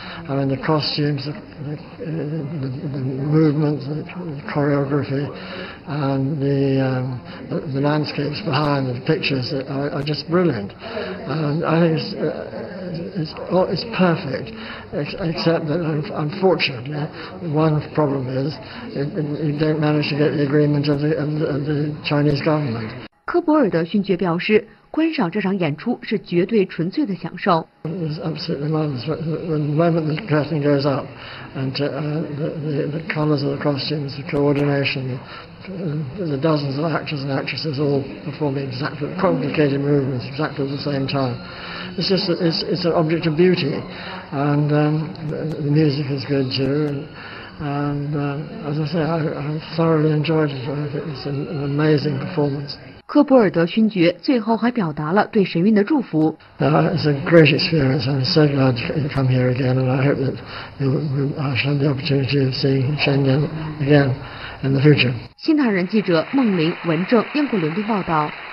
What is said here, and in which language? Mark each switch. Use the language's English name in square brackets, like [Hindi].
[English] I mean, the costumes, the movements, the choreography, and the landscapes behind the pictures are just brilliant. And I think it's perfect, except that unfortunately, one problem is you don't manage to get the agreement of the Chinese government. [Chinese] 科博尔德勋爵表示观赏这场演出是绝对纯粹的享受。 [English] It was absolutely marvelous. When the moment the curtain goes up, and the colors of the costumes, the coordination, the dozens of actors and actresses all performing exactly complicated movements exactly at the same time, it's an object of beauty. And the music is good too. And as I say, I thoroughly enjoyed it. I think it's an amazing performance. [Chinese] 科布尔德勋爵最后还表达了对神韵的祝福。 [English] It's a great experience. I'm so glad to come here again, and I hope that I shall have the opportunity of seeing Shenyang again in the future. [Chinese] 新唐人记者孟玲、文正，英国伦敦报道。